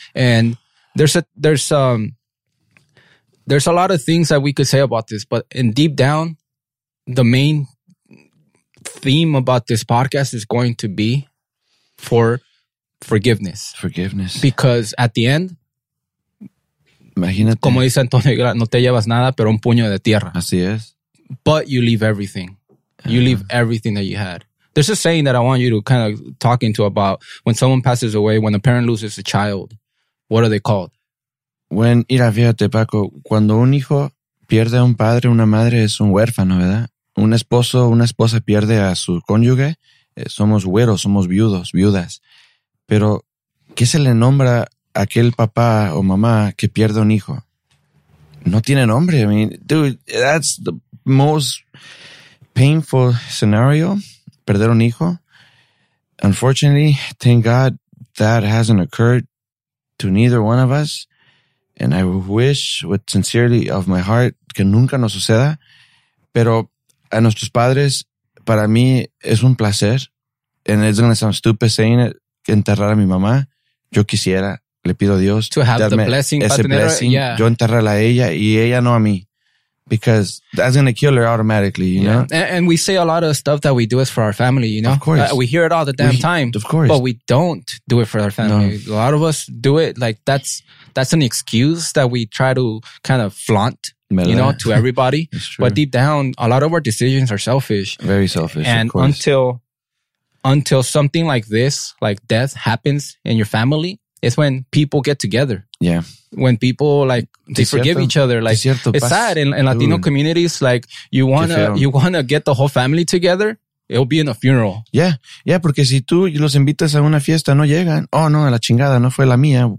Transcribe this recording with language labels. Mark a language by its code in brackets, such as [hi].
[en] And there's a lot of things that we could say about this, but in deep down, the main theme about this podcast is going to be for forgiveness. Forgiveness. Because at the end, [es] imagínate. Como dice Antonio Aguilar, no te llevas nada, pero un puño de tierra. Así es. [en] But you leave everything. You leave everything that you had. There's a saying that I want you to kind of talk into about when someone passes away, when a parent loses a child, what are they called? [es] When, mira, fíjate, Paco, cuando un hijo pierde a un padre, una madre es un huérfano, ¿verdad? Un esposo, una esposa pierde a su cónyuge, somos güeros, somos viudos, viudas. Pero, ¿qué se le nombra a aquel papá o mamá que pierde un hijo? No tiene nombre. [en] I mean, dude, that's the most painful scenario, [es] perder un hijo. [en] Unfortunately, thank God that hasn't occurred to neither one of us. And I wish with sincerity of my heart [es] que nunca nos suceda. Pero a nuestros padres, para mí, es un placer. [en] And it's going to sound stupid saying it, [es] que enterrar a mi mamá. Yo quisiera, le pido a Dios. [en] To have the blessing. [es] Ese blessing. [en] Yeah. [es] Yo enterrar a ella y ella no a mí. [en] Because that's going to kill her automatically, you know? And we say a lot of stuff that we do is for our family, you know? Of course. We hear it all the damn time. Of course. But we don't do it for our family. No. A lot of us do it. Like, that's an excuse that we try to kind of flaunt, you know, to everybody. But deep down, a lot of our decisions are selfish. Very selfish, and of course. And until something like this, like death happens in your family, it's when people get together. Yeah. When people like they forgive each other, like it's sad in Latino communities. Like you wanna get the whole family together. It'll be in a funeral. Yeah. [es] Porque si tú los invitas a una fiesta, no llegan. Oh no, a la chingada, no fue la mía.